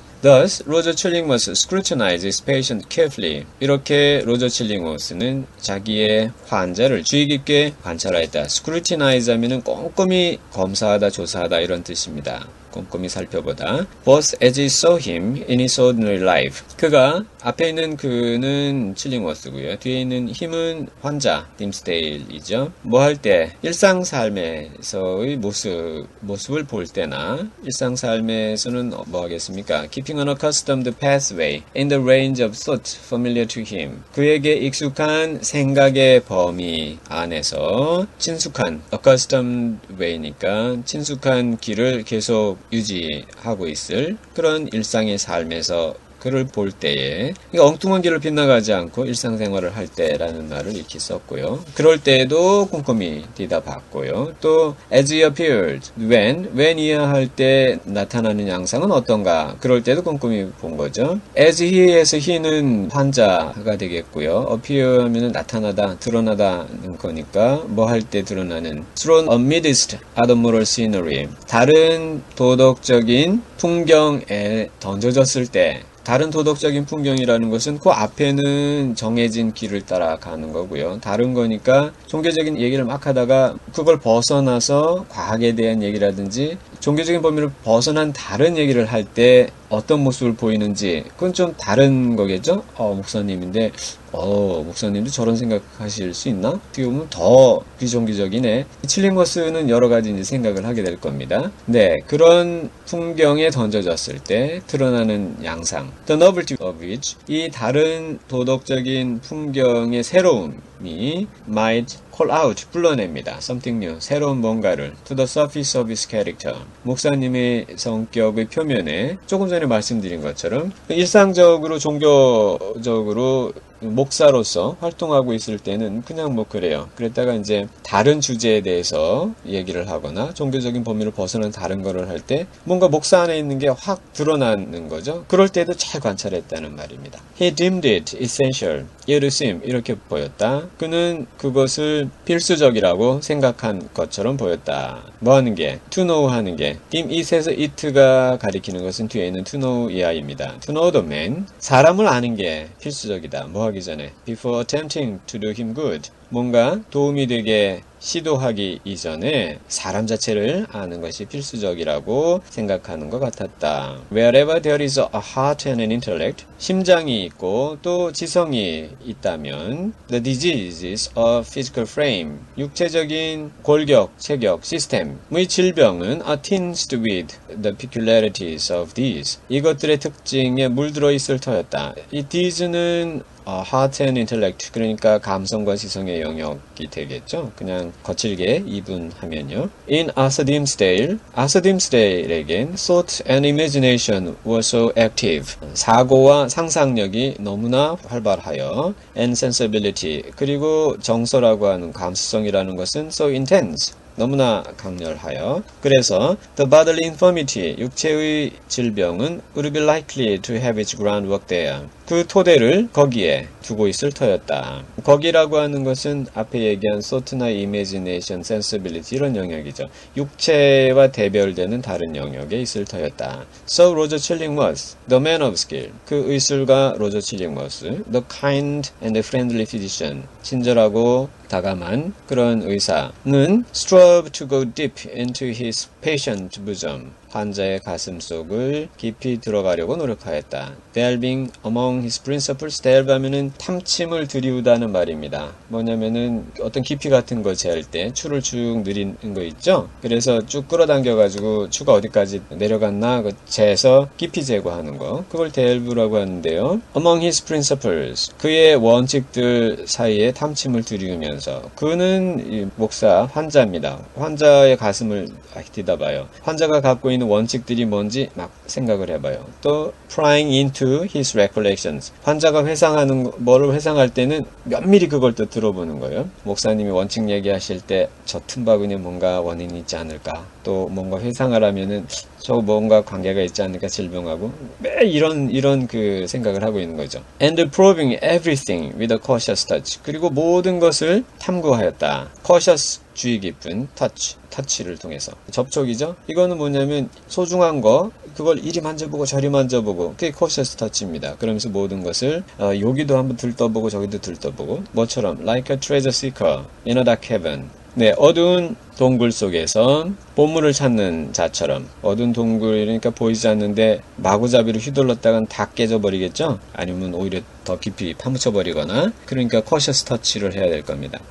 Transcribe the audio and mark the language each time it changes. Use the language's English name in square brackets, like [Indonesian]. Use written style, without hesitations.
[English] Thus, Roger Chillingworth scrutinizes patient carefully. [Korean] 이렇게 로저 칠링워스는 자기의 환자를 주의 깊게 관찰하였다. scrutinize 하면은 꼼꼼히 검사하다, 조사하다 이런 뜻입니다. 꼼꼼히 살펴보다. [English] Both as he saw him in his ordinary life. [Korean] 그가 앞에 있는 그는 칠링워스고요. 뒤에 있는 힘은 환자, 딤스데일이죠. 뭐할 때, 일상 삶에서의 모습을 볼 때나 일상 삶에서는 뭐 하겠습니까? [English] Keeping an accustomed pathway in the range of thought familiar to him. [Korean] 그에게 익숙한 생각의 범위 안에서 친숙한 [English] accustomed way [Korean] 니까 친숙한 길을 계속 유지하고 있을 그런 일상의 삶에서 그를 볼 때에, 엉뚱한 길을 빗나가지 않고 일상생활을 할 때라는 말을 익히 썼고요. 그럴 때에도 꼼꼼히 들여다봤고요. 또, [English] as he appeared, [Korean] when이야 할때 나타나는 양상은 어떤가? 그럴 때도 꼼꼼히 본 거죠. [English] as he [Korean] 에서 he는 환자가 되겠고요. appear 하면 나타나다, 드러나다는 거니까, 뭐할때 드러나는. [English] thrown amidst other moral scenery. [Korean] 다른 도덕적인 풍경에 던져졌을 때, 다른 도덕적인 풍경이라는 것은 그 앞에는 정해진 길을 따라가는 거고요. 다른 거니까 종교적인 얘기를 막 하다가 그걸 벗어나서 과학에 대한 얘기라든지 종교적인 범위를 벗어난 다른 얘기를 할때 어떤 모습을 보이는지 그건 좀 다른 거겠죠? 목사님인데, 목사님도 저런 생각하실 수 있나? 어떻게 보면 더 비종교적이네. 칠링워스는 여러 가지 이제 생각을 하게 될 겁니다. 네, 그런 풍경에 던져졌을 때 드러나는 양상, [English] the novelty of which, [Korean] 이 다른 도덕적인 풍경의 새로움, [English] might call out, [Korean] 불러냅니다. [English] Something new, [Korean] 새로운 뭔가를 [English] to the surface of his character. [Korean] 목사님의 성격의 표면에 조금 전에 말씀드린 것처럼 일상적으로 종교적으로 목사로서 활동하고 있을 때는 그냥 뭐 그래요. 그랬다가 이제 다른 주제에 대해서 얘기를 하거나 종교적인 범위를 벗어난 다른 거를 할때 뭔가 목사 안에 있는 게확 드러나는 거죠. 그럴 때도 잘 관찰했다는 말입니다. [English] He deemed it essential. It seemed [Korean] 이렇게 보였다. 그는 그것을 필수적이라고 생각한 것처럼 보였다. 뭐 하는 게? [English] To know [Korean] 하는 게. [English] deem it [Korean] 에서 it가 가리키는 것은 뒤에 있는 [English] to know [Korean] 이하입니다. [English] To know the man. [Korean] 사람을 아는 게 필수적이다. 뭐 하기 전에. [English] Before attempting to do him good. [Korean] 뭔가 도움이 되게 시도하기 이전에 사람 자체를 아는 것이 필수적이라고 생각하는 것 같았다. [English] Wherever there is a heart and an intellect, [Korean] 심장이 있고 또 지성이 있다면, [English] the disease is a physical frame, [Korean] 육체적인 골격, 체격, 시스템의 질병은 [English] attinged with the peculiarities of these, [Korean] 이것들의 특징에 물들어 있을 터였다. 이 these는 [English] heart and intellect, [Korean] 그러니까 감성과 지성의 영역이 되겠죠. 그냥 거칠게 이분하면요. [English] In Arthur Dimmesdale, [Korean] Arthur Dimmesdale에겐 [English] thought and imagination were so active. [Korean] 사고와 상상력이 너무나 활발하여, [English] and sensibility, [Korean] 그리고 정서라고 하는 감수성이라는 것은 [English] so intense. [Korean] 너무나 강렬하여. 그래서 [English] the bodily infirmity, [Korean] 육체의 질병은 [English] would be likely to have its groundwork there. [Korean] 그 토대를 거기에 두고 있을 터였다. 거기라고 하는 것은 앞에 얘기한 [English] thought나 imagination, [Korean] sensibility 이런 영역이죠. 육체와 대별되는 다른 영역에 있을 터였다. [English] So Roger Chillingworth, the man of skill, [Korean] 그 의술가 [English] Roger Chillingworth, the kind and friendly physician, [Korean] 친절하고 다감한 그런 의사는 [English] strove to go deep into his patient bosom. [Korean] 환자의 가슴 속을 깊이 들어가려고 노력하였다. [English] Delving among his principles, [Korean] delve 하면은 탐침을 들이우다는 말입니다. 뭐냐면은 어떤 깊이 같은 거 재할 때 추를 쭉 늘이는 거 있죠? 그래서 쭉 끌어당겨가지고 추가 어디까지 내려갔나 그 재서 깊이 제거하는 거. 그걸 delve라고 하는데요. [English] Among his principles, [Korean] 그의 원칙들 사이에 탐침을 들이우면서 그는 이 목사, 환자입니다. 환자의 가슴을 들이다봐요. 환자가 갖고 있는 원칙들이 뭔지 막 생각을 해봐요. [English] 또 prying into his recollections. [Korean] 환자가 회상하는 뭐를 회상할 때는 면밀히 그걸 또 들어보는 거예요. 목사님이 원칙 얘기하실 때저 틈바구니에 뭔가 원인이 있지 않을까? 또 뭔가 회상을 하면은 저 뭔가 관계가 있지 않을까 질병하고 매 이런 그 생각을 하고 있는 거죠. [English] And probing everything with a cautious touch. [Korean] 그리고 모든 것을 탐구하였다. [English] Cautious [Korean] 주의 깊은 터치를 통해서 접촉이죠. 이거는 뭐냐면 소중한 거 그걸 이리 만져보고 저리 만져보고 그게 코셔스 터치입니다. 그러면서 모든 것을 여기도 한번 들떠보고 저기도 들떠보고 뭐처럼 [English] Like a treasure seeker in a dark heaven. [Korean] 네, 어두운 동굴 속에서 보물을 찾는 자처럼 어두운 동굴이니까 보이지 않는데 마구잡이로 휘둘렀다간 다 깨져버리겠죠? 아니면 오히려 더 깊이 파묻혀버리거나 그러니까 [English] cautious touch [Korean] 를 해야 될 겁니다.